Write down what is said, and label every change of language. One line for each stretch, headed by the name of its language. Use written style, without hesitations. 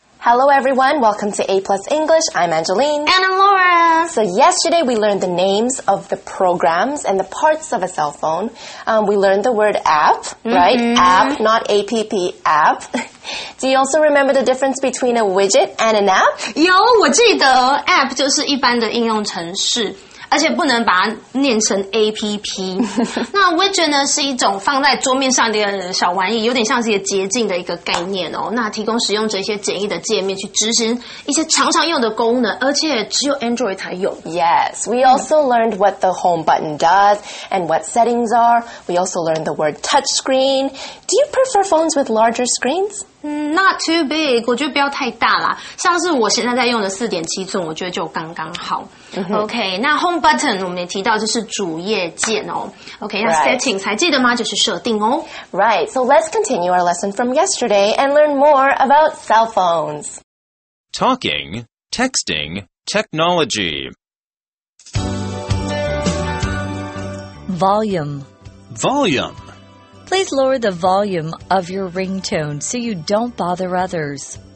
English: Hello everyone, welcome to A Plus English. I'm Angeline. And I'm Laura. So yesterday we learned the names of the programs and the parts of a cell phone. We learned the word app, right? App, not APP, app. Do you also remember the difference between a widget and an app?
Chinese: 有，我记得 app 就是一般的应用程式。而且不能把它念成 APP。那 widget 呢是一种放在桌面上的小玩意，有点像是一个捷径的一个概念哦。那提供使用者一些简易的界面去执行一些常常用的功能，而且只有 Android 才有。
English: Yes, we also learned what the home button does and what settings are. We also learned the word touchscreen. Do you prefer phones with larger screens? Not too big,
Chinese: 我觉得不要太大啦。像是我现在在用的 4.7 寸，我觉得就刚刚好。 OK, 那 home button 我们也提到就是主页键哦。 OK, 那 settings 还记得吗？就是设定哦。
English: Right, so let's continue our lesson from yesterday and learn more about cell phones. Talking, texting, technology. Volume. Please lower the volume of your ringtone so you don't bother others.